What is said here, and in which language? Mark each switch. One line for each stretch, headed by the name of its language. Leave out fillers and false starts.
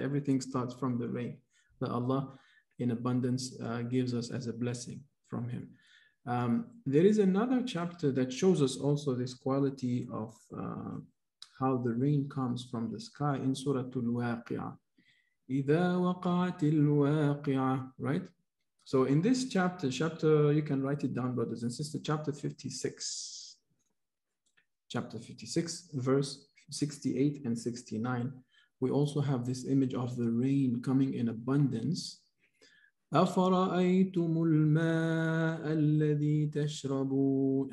English: Everything starts from the rain that Allah in abundance gives us as a blessing from Him. There is another chapter that shows us also this quality of how the rain comes from the sky in Surah Al-Waqi'ah.
Arabic: إِذَا وَقَعَتِ الْوَاقِعَةِ,
English: right? So in this chapter, you can write it down, brothers and sisters, chapter 56. Chapter 56, verse 68 and 69. We also have this image of the rain coming in abundance.
Arabic: أَفَرَأَيْتُمُ الْمَاءَ الَّذِي تَشْرَبُونَ.